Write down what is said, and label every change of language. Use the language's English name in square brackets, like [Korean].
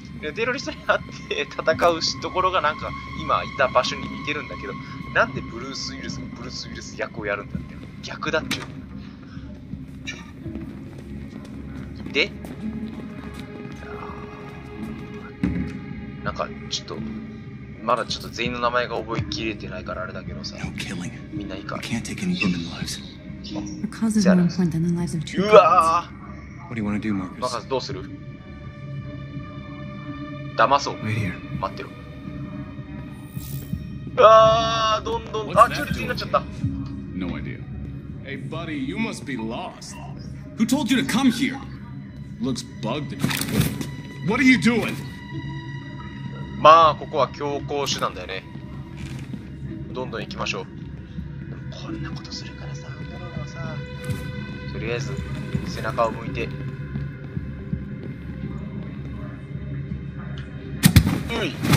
[Japanese] でテロリストに会って戦うところがなんか今いた場所に似てるんだけど、なんでブルース・ウィルスがブルース・ウィルス役をやるんだって、逆だっちゅう。で、なんかちょっとまだちょっと全員の名前が覚えきれてないからあれだけどさ、みんないいか。 [English] Can't take any human lives. Causes more harm than the lives of two. [Japanese] うわあ。 [English] What do you want to do, Marcus? [Japanese] マーカスどうする？騙そう。 [English] Wait here. [Japanese] 待ってろ。ああ、どんどん、あ、チュルチになっちゃった。 [English] No idea. Hey buddy, you must be lost. Who told you to come here? Looks bugged. What are you doing? [Japanese] まあここは強行手段だよね。どんどん行きましょう。でもこんなことするからさ、アンドロイドはさ、とりあえず背中を向いて。うい。